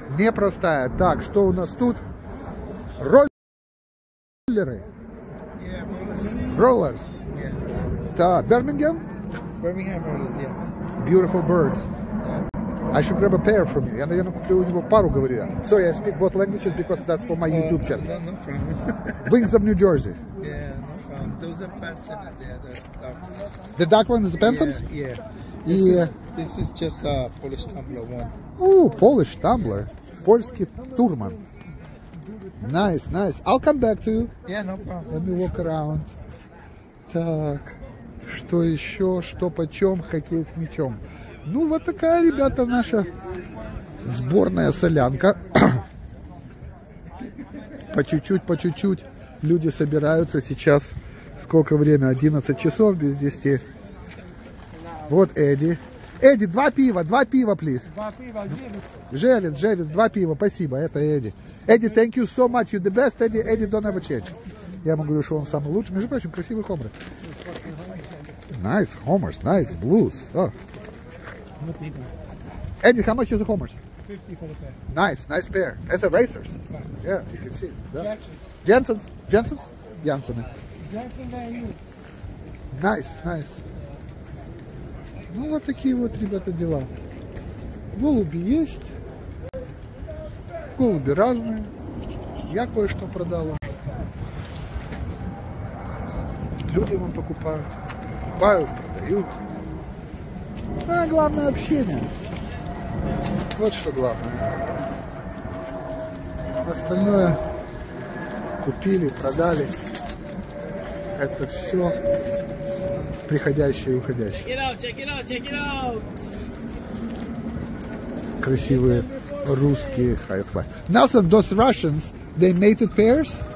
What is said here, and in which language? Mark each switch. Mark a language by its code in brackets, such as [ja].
[ru] Непростая. Так, что у нас тут? Роллеры. Роллерс. Так, Бирмингем? Бирмингем роллерс, yeah. [en] Beautiful birds. I should grab a pair from you. [ru] Я, наверное, куплю у него пару, говорю я. [en] Sorry, I speak both languages because that's for my YouTube channel. No, no problem. Wings of New Jersey. Yeah, no problem. Those are Bensons and they're the dark ones. The dark ones, Bensons? Yeah, yeah. This is just a Polish tumbler one. Ooh, Polish tumbler. Yeah. [ru] Польский турман. [en] Nice, nice. I'll come back to you. Yeah, no problem. Let me walk around. Так. [ru] Что еще, что почем, хоккей с мячом. Ну, вот такая, ребята, наша сборная солянка. По чуть-чуть люди собираются сейчас. Сколько время? 11 часов без 10. Вот Эдди. Эдди, два пива, плиз. Два пива, Джевис. Джевис, Джевис, два пива, спасибо, это Эдди. [en] Эдди, thank you so much, you're the best, Эдди, Эдди, don't ever change. [ru] Я ему говорю, что он самый лучший. Между прочим, красивый хомры. [en] Nice homers, nice blues. Oh. Eddie, how much is a homers? 50 for the pair. Nice, nice pair. It's a racers. Yeah, you can see. Yeah. Jensen's. Jensen's? Jensen. Jensen's are you. Nice, nice. [ru] Ну вот такие вот, ребята, дела. Голуби есть. Голуби разные. Я кое-что продал. Люди вам покупают. Покупают, продают. А главное общение. Вот что главное. Остальное купили, продали. Это все приходящее и уходящее. Красивые русские хайфлай. [en] Nelson, those Russians, they mated pairs?